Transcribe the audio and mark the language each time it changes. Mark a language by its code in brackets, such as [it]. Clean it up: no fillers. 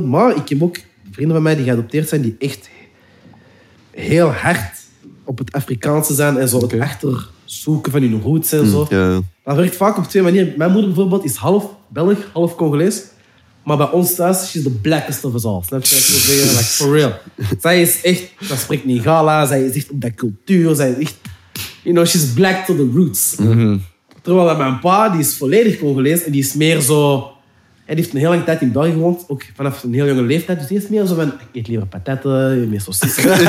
[nl] Maar ik heb ook vrienden van mij die geadopteerd zijn... die echt heel hard op het Afrikaanse zijn... en zo het achter zoeken van hun roots en zo. Dat werkt vaak op twee manieren. Mijn moeder bijvoorbeeld is half... Belg, half Congolees. Maar bij ons thuis is [en] she's the blackest of us all. [nl] Snap je? [en] Like, for real. [nl] Zij is echt, dat spreekt niet gala. Zij is echt op dat cultuur. Zij is echt, [en] you know, she's black to the roots. Mm-hmm. [nl] Terwijl mijn pa, die is volledig Congolees. En die is meer zo... Hij heeft een heel lange tijd in België gewoond. Ook vanaf een heel jonge leeftijd. Dus hij is meer zo van, ik eet liever patatten. Meer zo sissen.